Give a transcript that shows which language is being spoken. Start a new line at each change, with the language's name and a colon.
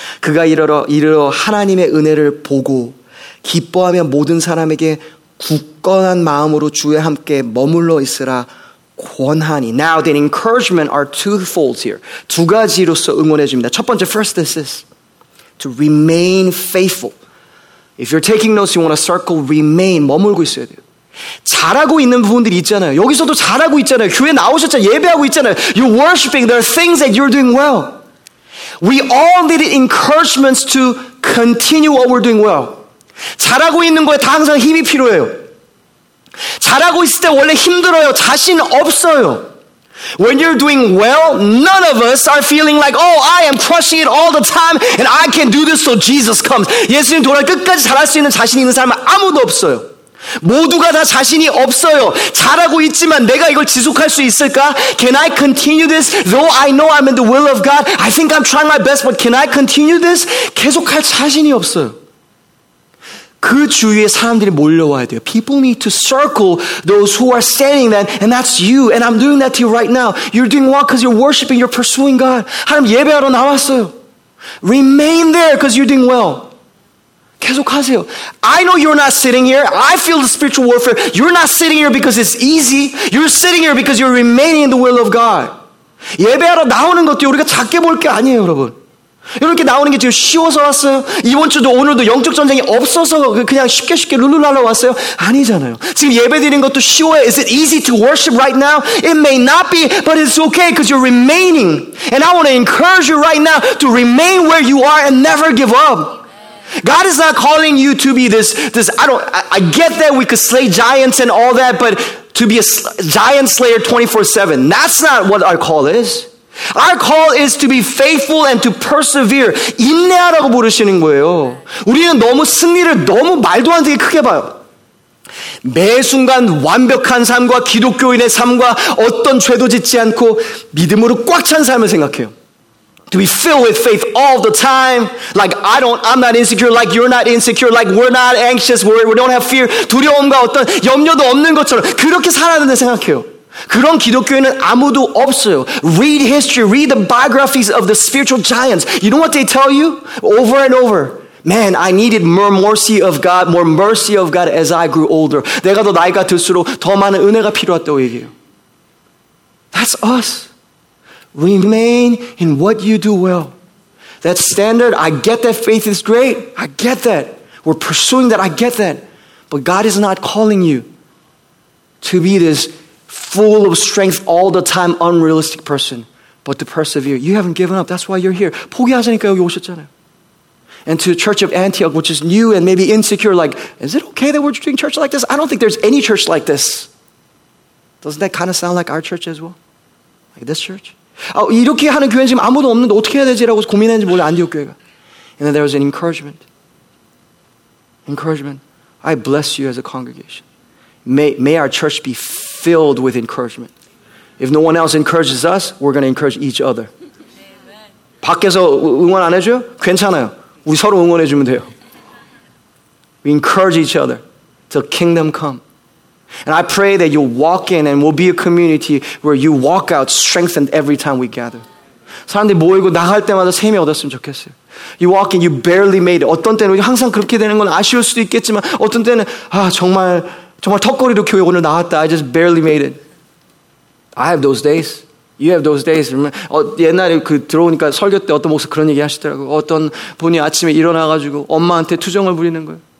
Korean: 그가 이르러 하나님의 은혜를 보고 기뻐하며 모든 사람에게 굳건한 마음으로 주와 함께 머물러 있으라. 권하니.
English: Now the encouragement are twofold here.
Korean: 두 가지로서 응원해 줍니다. 첫 번째,
English: first is this. To remain faithful. If you're taking notes, you want to circle remain.
Korean: 머물고 있어야 돼요. 잘하고 있는 부분들이 있잖아요. 여기서도 잘하고 있잖아요. 교회 나오셨잖아요. 예배하고 있잖아요.
English: You're worshiping. There are things that you're doing well. We all need encouragements to continue what we're doing well.
Korean: 잘하고 있는 거에 다 항상 힘이 필요해요. 잘하고 있을 때 원래 힘들어요. 자신 없어요.
English: When you're doing well, none of us are feeling like, oh, I am crushing it all the time and I can do this till Jesus comes.
Korean: 예수님 돌아 끝까지 잘할 수 있는 자신 있는 사람은 아무도 없어요. 모두가 다 자신이 없어요. 잘하고 있지만 내가 이걸 지속할 수 있을까?
English: Can I continue this? Though I know I'm in the will of God, I think I'm trying my best, but can I continue this?
Korean: 계속할 자신이 없어요. 그 주위에 사람들이 몰려와야 돼요.
English: People need to circle those who are standing then, and that's you, and I'm doing that to you right now. You're doing what? Because you're worshiping, you're pursuing God.
Korean: 하나님 예배하러 나왔어요.
English: Remain there because you're doing well.
Korean: 계속하세요.
English: I know you're not sitting here. I feel the spiritual warfare. You're not sitting here because it's easy. You're sitting here because you're remaining in the will of God.
Korean: 예배하러 나오는 것도 우리가 작게 볼 게 아니에요, 여러분. 이렇게 나오는 게 지금 쉬워서 왔어요? 이번 주도 오늘도 영적 전쟁이 없어서 그냥 쉽게 룰루랄라 왔어요? 아니잖아요. 지금 예배 드리는 것도 쉬워요.
English: Is it easy to worship right now? It may not be, but it's okay because you're remaining. And I want to encourage you right now to remain where you are and never give up. God is not calling you to be this, I get that we could slay giants and all that, but to be a giant slayer 24/7, that's not what our call is. Our call is to be faithful and to persevere.
Korean: 인내하라고 부르시는 거예요. 우리는 너무 승리를 너무 말도 안 되게 크게 봐요. 매 순간 완벽한 삶과 기독교인의 삶과 어떤 죄도 짓지 않고 믿음으로 꽉 찬 삶을 생각해요.
English: To be filled with faith all the time. Like I'm not insecure. Like you're not insecure. Like we're not anxious. We don't have fear.
Korean: 두려움과 어떤 염려도 없는 것처럼 그렇게 살아야 된다 생각해요. 그런 기독교에는 아무도 없어요.
English: Read history, read the biographies of the spiritual giants. You know what they tell you? Over and over. Man, I needed more mercy of God, more mercy of God as I grew older.
Korean: 내가 더 나이가 들수록 더 많은 은혜가 필요했다고 얘기해요.
English: That's us. Remain in what you do well. That standard, I get that faith is great. I get that. We're pursuing that. I get that. But God is not calling you to be this full of strength all the time, unrealistic person, but to persevere. You haven't given up. That's why you're here.
Korean: 포기하자니까 여기 오셨잖아요.
English: And to the church of Antioch, which is new and maybe insecure, like, is it okay that we're doing church like this? I don't think there's any church like this. Doesn't that kind of sound like our church as well? Like this church.
Korean: 아, 이렇게 하는 교회는 지금 아무도 없는데 어떻게 해야 되지라고 고민했는지 몰라요. 안디옥 교회가.
English: And then there was an encouragement. Encouragement. I bless you as a congregation. May our church be filled with encouragement. If no one else encourages us, we're going to encourage each other.
Korean: 밖에서 응원 안 해줘요? 괜찮아요. 우리 서로 응원해주면 돼요.
English: We encourage each other till kingdom come. And I pray that you'll walk in and we'll be a community where you walk out strengthened every time we gather.
Korean: 사람들이 모이고 나갈 때마다 힘이 얻었으면 좋겠어요.
English: You walk in, you barely made it.
Korean: 어떤 때는 항상 그렇게 되는 건 아쉬울 수도 있겠지만 어떤 때는 아 정말 정말 턱걸이로 교회 오늘 나왔다.
English: I just barely made it. I have those days. You have those days.
Korean: 옛날에 그 들어오니까 설교 때 어떤 목사 그런 얘기 하시더라고요. 어떤 분이 아침에 일어나가지고 엄마한테 투정을 부리는 거예요.